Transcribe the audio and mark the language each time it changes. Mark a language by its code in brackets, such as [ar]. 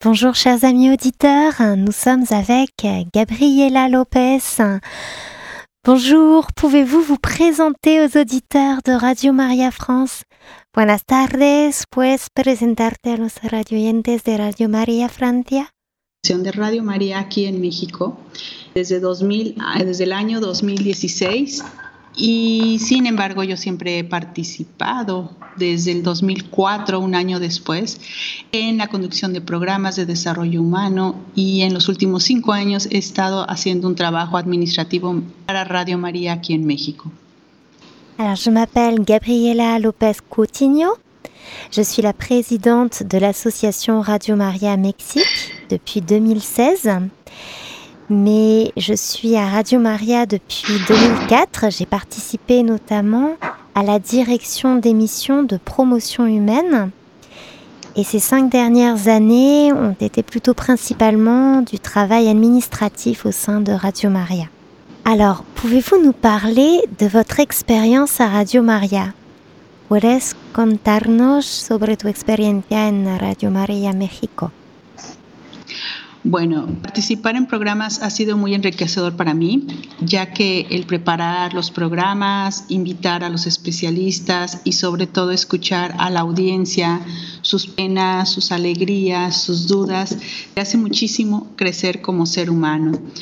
[fr] Bonjour chers amis auditeurs, nous sommes avec Gabriela Lopez. Bonjour, pouvez-vous vous présenter aux auditeurs de Radio Maria France? [es] Buenas tardes, ¿puedes presentarte a los radioyentes de Radio María Francia? De Radio María aquí en México desde el año 2016 y sin embargo yo siempre he participado desde el 2004, un año después, en la conducción de programas de desarrollo humano y en los últimos 5 años he estado haciendo un trabajo administrativo para Radio María aquí en México. [fr] Alors, je m'appelle Gabriela López Coutinho. Je suis la présidente de l'association Radio María Mexique depuis 2016. Mais je suis à Radio María depuis 2004. J'ai participé notamment à la direction d'émissions de promotion humaine. Et ces 5 dernières années ont été plutôt principalement du travail administratif au sein de Radio María. Alors, pouvez-vous nous parler de votre expérience à Radio María? [es] ¿Puedes contarnos sobre tu experiencia en Radio María México? Bueno, participar en programas ha sido muy enriquecedor para mí, ya que el preparar los programas, invitar a los especialistas y sobre todo escuchar a la audiencia, sus penas, sus alegrías, sus dudas, me hace muchísimo crecer como ser humano.